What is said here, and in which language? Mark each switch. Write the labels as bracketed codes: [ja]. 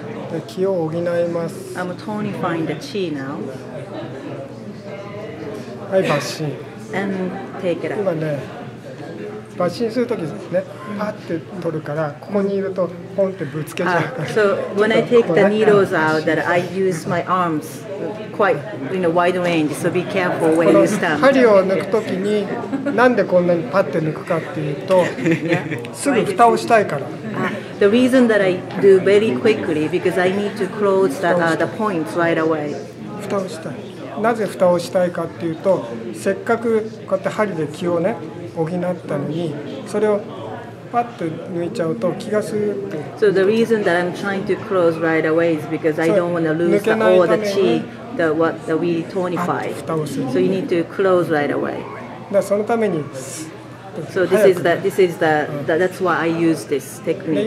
[ja] で気を補います。 [en] I'm tonifying the chi now. [ja] はい、抜針。 [en] And take it out. [ja] 今ね、抜針するときですね、パッて取るから、ここにいるとポンってぶつけちゃうから。 [en] So when I take the needles out, that I use my arms quite in a wide range. So be careful where you stand. [ja] 針を抜くときに、なんでこんなにパッて抜くかっていうと、すぐ蓋をしたいから。 [en] The reason that I do very quickly because I need to close that, the points right away. [ja] 蓋をしたい。なぜ蓋をしたいかっていうと、せっかくこうやって針で気をね補ったのに、それをパッと抜いちゃうと気がするって。 [en] So the reason that I'm trying to close right away is because I don't want to lose the, all the chi that what that we tonified. [ja] 蓋をする。 [en] So you need to close right away. [ja] だそのために [en] So this is the, that's why I use this technique.